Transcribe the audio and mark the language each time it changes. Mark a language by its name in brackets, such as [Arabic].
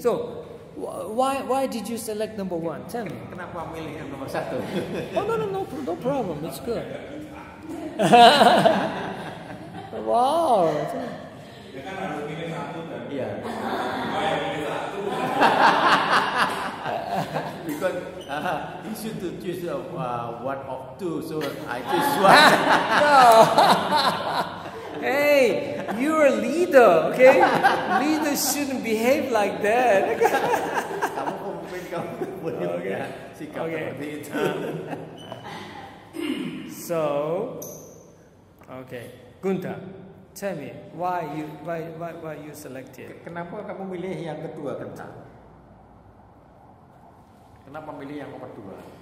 [English] So, why did you select number one? Tell me. [Indonesian] Kenapa milih yang nomor satu? [English] Oh no problem. It's good. Wow. [Indonesian] Ya kan harus pilih satu kan. Iya. Mau yang pilih satu. [English] Because you should to choose one of two, so I choose one. No. Hey, you're a leader, okay? Leaders shouldn't behave like that. [Indonesian] Kamu pemimpin, kamu boleh punya sikap seperti itu. [English] So. Okay, Gunta, tell me why you selected. [Indonesian] Kenapa kamu milih yang kedua, Gunta? Kenapa milih yang nomor dua?